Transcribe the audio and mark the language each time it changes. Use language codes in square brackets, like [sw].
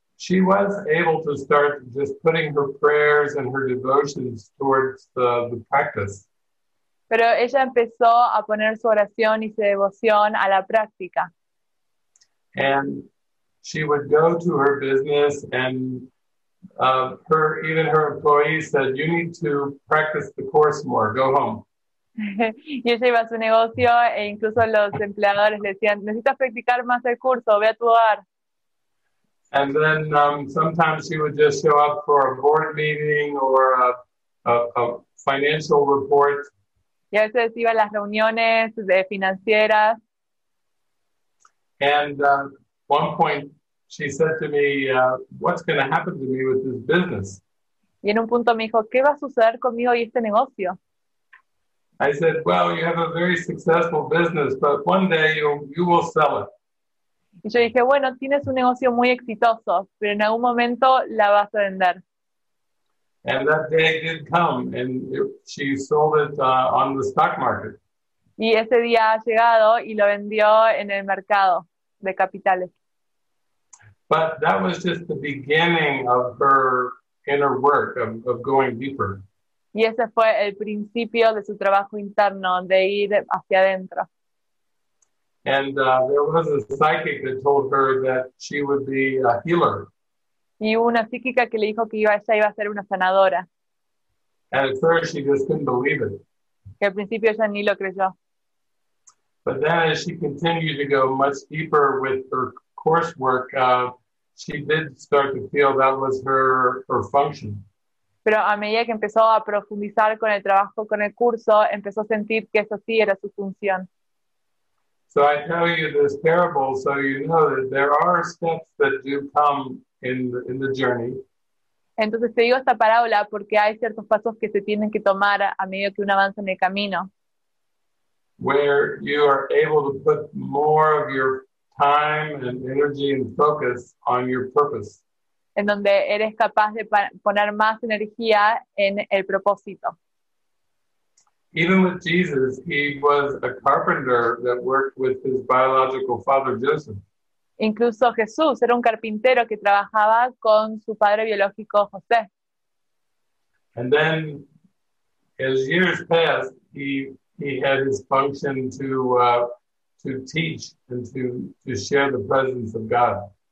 [en] she was able to start just putting her prayers and her devotions towards the practice. [es] Pero ella empezó a poner su oración y su devoción a la práctica. [en] And she would go to her business, and her employees said, "You need to practice the course more. Go home." [es] Y ella iba a su negocio e incluso los empleadores le decían, "Necesitas practicar más el curso. Ve a tu hogar." [en] And then sometimes she would just show up for a board meeting or a financial report. [es] Y a veces iba a las reuniones de financieras. [en] And one point she said to me, "What's going to happen to me with this business?" [es] Y en un punto me dijo, "¿Qué va a suceder conmigo y este negocio?" [en] I said, "Well, you have a very successful business, but one day you will sell it." [es] Y yo dije, bueno, tienes un negocio muy exitoso, pero en algún momento la vas a vender. [en] And that day did come, and she sold it on the stock market. [es] Y ese día ha llegado y lo vendió en el mercado de capitales. [en] But that was just the beginning of her inner work, of going deeper. [es] Y ese fue el principio de su trabajo interno, de ir hacia adentro. [en] And there was a psychic that told her that she would be a healer. [es] Y una psíquica que le dijo que ella iba a ser una sanadora. [en] And at first she just couldn't believe it. [es] Que al principio ella ni lo creyó. [en] But then as she continued to go much deeper with her coursework, she did start to feel that was her function. [es] Pero a medida que empezó a profundizar con el trabajo, con el curso, empezó a sentir que eso sí era su función. [en] So I tell you this parable so you know that there are steps that do come in the journey. [es] Entonces te digo esta parábola porque hay ciertos pasos que se tienen que tomar a medida que uno avanza en el camino. [en] Where you are able to put more of your time and energy and focus on your purpose. [es] En donde eres capaz de poner más energía en el propósito. [en] Even with Jesus, he was a carpenter that worked with his biological father, Joseph. [es] Incluso Jesús era un carpintero que trabajaba con su padre biológico, José. [en] And then, as years passed, he had his function to teach and to share the presence of God.